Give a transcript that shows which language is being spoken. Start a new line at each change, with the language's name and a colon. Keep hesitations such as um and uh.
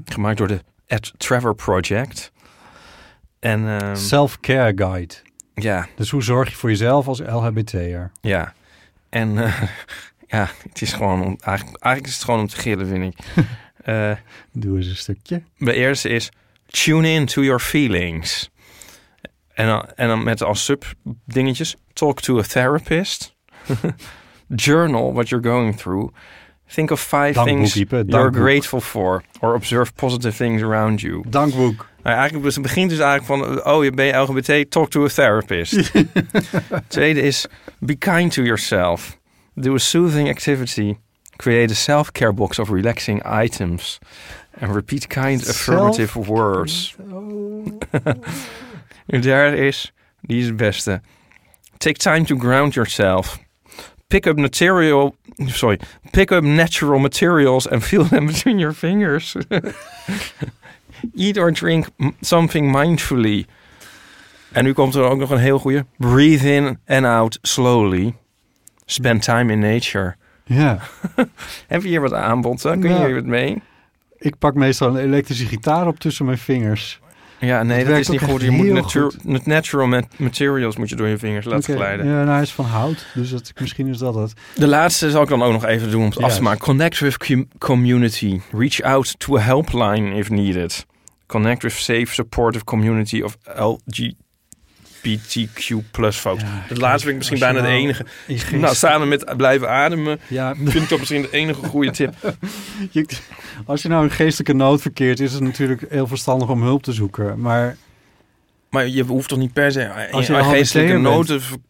Dutch: Gemaakt door de Ed Trevor Project. En, um, self-care guide. Ja. Dus hoe zorg je voor jezelf als LHBTer? Ja. En uh, ja, het is gewoon om, eigenlijk, eigenlijk, is het gewoon om te gillen, vind ik. uh, Doe eens een stukje. De eerste is
English: tune in to your feelings.
Dutch: En uh, en dan met als sub dingetjes
English: talk to a therapist. journal what you're going through. Think of five Dank things boekiepe. you're Dank grateful boek. for, or observe positive things around you.
Dutch: Dankboek. Nou, eigenlijk het begint dus eigenlijk van, oh, je bent LGBT,
English: talk to a therapist.
Dutch: Tweede is,
English: be kind to yourself. Do a soothing activity. Create a self-care box of relaxing items. And repeat kind affirmative self? words. Oh.
Dutch: is, die is het beste.
English: Take time to ground yourself. pick up material, sorry, pick up natural materials and feel them between your fingers. Eat or drink something mindfully.
Dutch: En nu komt er ook nog een heel goede.
English: Breathe in and out slowly. Spend time in nature.
Dutch: Ja. Yeah. Heb je hier wat aanbod? Hè? Kun je hier wat mee? Ja, ik pak meestal een elektrische gitaar op tussen mijn vingers. Ja, nee, het dat, is niet goed. Je moet met natu- natural ma- materials moet je door je vingers okay. laten glijden. Ja, nou hij is van hout, dus dat, ik, misschien is dat het. De laatste zal ik dan ook nog even doen om het af te maken.
English: Connect with community. Reach out to a helpline if needed. Connect with safe, supportive community of LG. LGBTQ plus folks.
Dutch: Ja, de laatste vind ik misschien bijna het nou, enige. Geestel... Nou, samen met blijven ademen ja. vind ik toch misschien het enige goede tip. als je nou een geestelijke nood verkeert, is het natuurlijk heel verstandig om hulp te zoeken. Maar, maar je hoeft toch niet per se als je, als je al een geestelijke nood